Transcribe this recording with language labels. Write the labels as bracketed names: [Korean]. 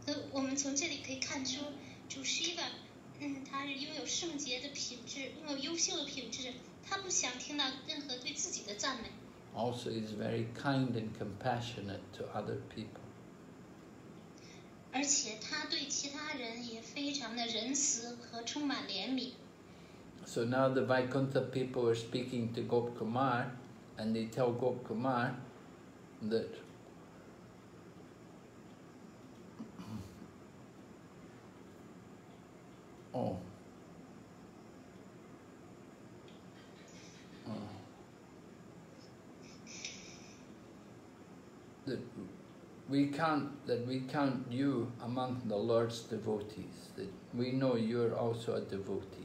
[Chinese] 我们从这里可以看出主 Shiva 他是拥有圣洁的品质，拥有优秀的品质，他不想听到任何对自己的赞美。 [English] Also he's very kind and compassionate to other people. [Chinese] 而且他对其他人也非常的仁慈和充满怜悯。 [English] So now the Vaikuntha people are speaking to Gop Kumar and they tell Gop Kumar that that we count you among the Lord's devotees, that we know you are also a devotee.